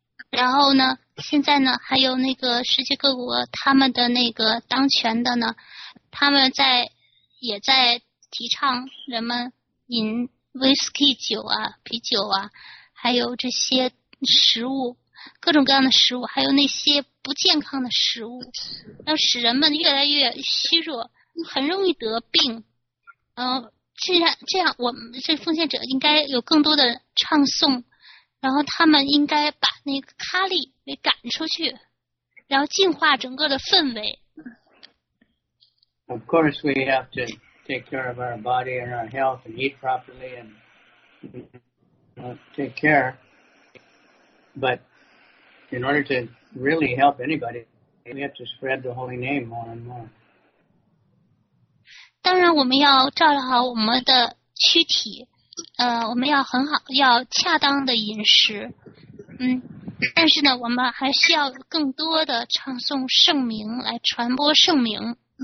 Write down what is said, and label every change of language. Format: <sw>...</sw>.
<zh>然后呢现在呢还有那个世界各国他们的那个当权的呢，他们在也在提倡人们饮whisky 酒啊，啤酒啊，还有这些食物，各种各样的食物，还有那些不健康的食物，要使人们越来越虚弱，很容易得病。这样我们这奉献者应该有更多的唱诵，然后他们应该把那个咖喱给赶出去，然后净化整个的氛围。</zh> <en>Of course we have to. Take care of our body and our health and eat properly and take care. But in order to really help anybody, we have to spread the holy name more and more.</en> <zh>当然我们要照料好我们的躯体，我们要很好，要恰当的饮食，但是呢，我们还需要更多的唱诵圣名来传播圣名。</zh>